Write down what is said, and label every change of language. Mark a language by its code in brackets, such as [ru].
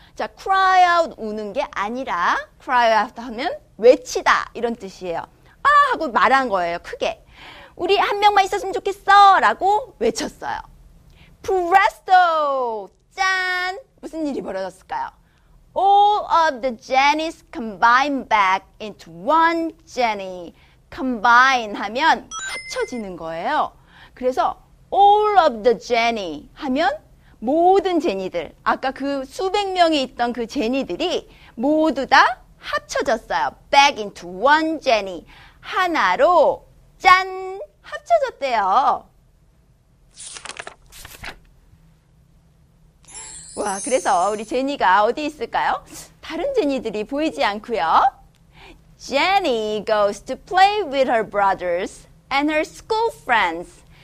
[ko] 자, cry out 우는 게 아니라 cry out 하면 외치다 이런 뜻이에요. 아 하고 말한 거예요. 크게. 우리 한 명만 있었으면 좋겠어 라고 외쳤어요. [en] Presto! [ko] 짠! 무슨 일이 벌어졌을까요? [en] All of the Jennies combine back into one Jenny. [ko] Combine 하면 합쳐지는 거예요. 그래서 [en] All of the Jenny [ko] 하면 모든 제니들, 아까 그 수백 명이 있던 그 제니들이 모두 다 합쳐졌어요. [en] Back into one Jenny. [ko] 하나로 짠! 합쳐졌대요. 와, 그래서 우리 제니가 어디 있을까요? 다른 제니들이 보이지 않고요. [en] Jenny goes to play with her brothers and her school friends.